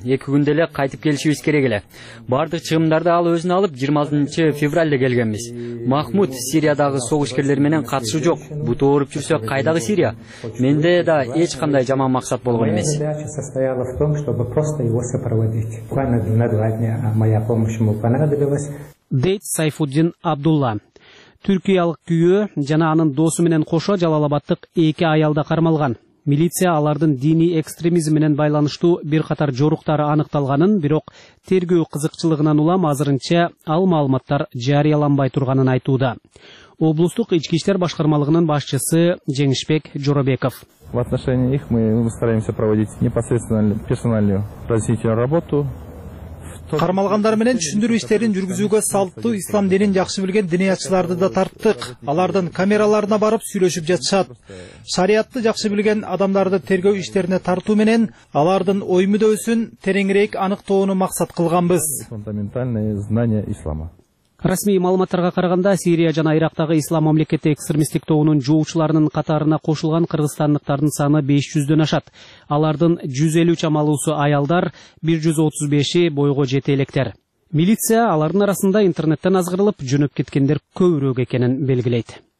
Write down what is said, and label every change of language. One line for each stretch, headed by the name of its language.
Kyrgyz: 2 күндө эле кайтып келишибиз керек эле. Бардык чыгымдарды ал өзүнө алып 20 февралда келгенбиз. Махмут Сириядагы согушкерлер менен катышуу жок. Бут ооруп жүрсө кайдагы Сирия? Менде да эч кандай жаман максат болгон эмес. Дейт Сайфуддин Абдулла. Түркиялык күйөө жана анын досу менен кошо Жалалабаддык 2 аялда кармалган. Милиция алардын диний экстремизм менен байланыштуу бир катар жоруктары аныкталганын, бирок тергөө кызыкчылыгынан улам азырынча ал маалыматтар жарыяланбай турганын айтууда. Облустук ички иштер башкармалыгынын башчысы Жеңишбек Жоробеков.
Russian: В отношении их мы стараемся проводить непосредственно персональную разъяснительную работу.
Kyrgyz: Кармалгандар менен түшүндүрүү иштерин жүргүзүүгө салттуу ислам динин жакшы билген диний ачыларды да тарттык. Алардын камераларына барып сүйлөшүп жатышат. Шариятты жакшы билген адамдарды тергөө иштерине тартуу менен алардын ой мүдөөсүн тереңирээк аныктоону максат кылганбыз.
Russian: Фундаментальные знания ислама.
Kyrgyz: Расмий маалыматтарга караганда Сирия жана Ирактагы ислам мамлекети экстремисттик тобунун жоочуларынын катарына кошулган кыргызстандыктардын саны 500 ашат. Алардын 153 чамалуусу аялдар, 135 бойго жете электер. Милиция алардын арасында интернеттен азгырылып жөнөп кеткендер көбүрөөк экенин белгилейт.